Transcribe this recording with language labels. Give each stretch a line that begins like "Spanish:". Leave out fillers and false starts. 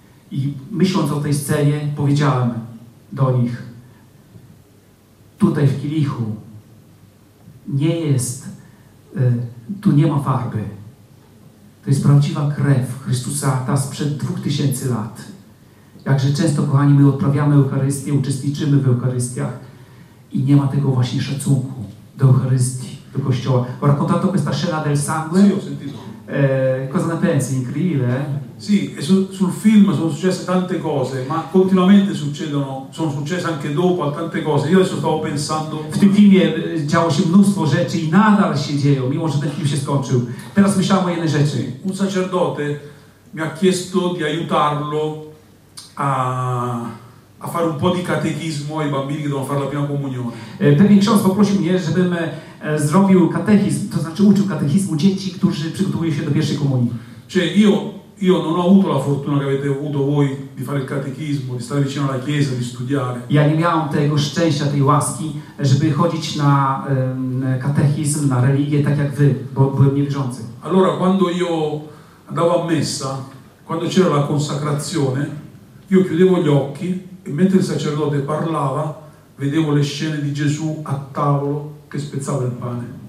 Polish: I myśląc o tej scenie, powiedziałem do nich, tutaj w kielichu nie jest, tu nie ma farby. To jest prawdziwa krew Chrystusa, ta sprzed 2000 lat. Jakże często, kochani, my odprawiamy Eucharystię, uczestniczymy w Eucharystiach i nie ma tego właśnie szacunku do Eucharystii, do Kościoła.
Italian: Raccontato questa scena del sangue. Sì, ho sentito. Cosa ne pensi? Incredibile, Sì, e sul film sono successe tante cose, ma continuamente sono successe anche dopo a tante cose. Io adesso stavo pensando...
Polish: W tym filmie działo się mnóstwo rzeczy i nadal się dzieją, mimo że ten film się skończył. Teraz myślałem o jednej rzeczy.
Italian: Un sacerdote mi ha chiesto di aiutarlo a fare un po' di catechismo ai bambini che devono fare la prima comunione.
Polish: Pewien ksiądz poprosił mnie, żebym zrobił katechizm, to znaczy uczył katechizmu dzieci, którzy przygotowują się do pierwszej komunii.
Italian: Cioè, io non ho avuto la fortuna che avete avuto voi di fare il catechismo, di stare vicino alla chiesa, di studiare.
Polish: Ja nie miałem tego szczęścia, tej łaski, żeby chodzić na katechizm, na religię, tak jak wy, bo byłem niewierzący.
Italian: Allora, quando io andavo a messa, quando c'era la consacrazione, io chiudevo gli occhi e mentre il sacerdote parlava vedevo le scene di Gesù a tavolo che spezzava il pane.